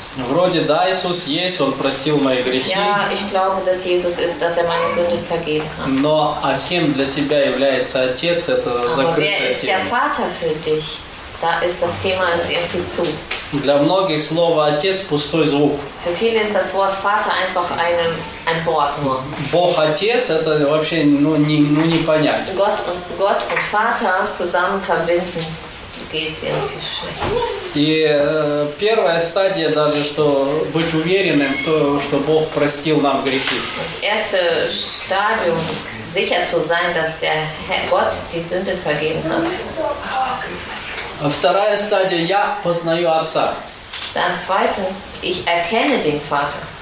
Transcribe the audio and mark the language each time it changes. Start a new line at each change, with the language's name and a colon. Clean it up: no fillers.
Russian: Вроде да, Иисус есть, Он простил мои грехи.
German: Ja, ich glaube, dass Jesus ist, dass er meine Sünden vergeben hat.
Russian: Но а кем для тебя является Отец, это закрытая тема.
German: Aber wer ist der Vater für dich? Da ist das Thema irgendwie zu.
Russian: Для многих слово «отец» – пустой звук.
German: Für viele ist das Wort Vater einfach ein Wort nur.
Russian: Бог Отец – это вообще не понять.
German: Gott und Vater zusammen verbinden. Geht
Russian: и первая стадия даже, что быть уверенным в том, что Бог простил нам грехи.
German: Erste Stadium, sicher zu sein, dass der Gott die Sünde vergeben hat.
Russian: Вторая стадия, я познаю Отца.
German: Dann zweitens, ich erkenne den Vater.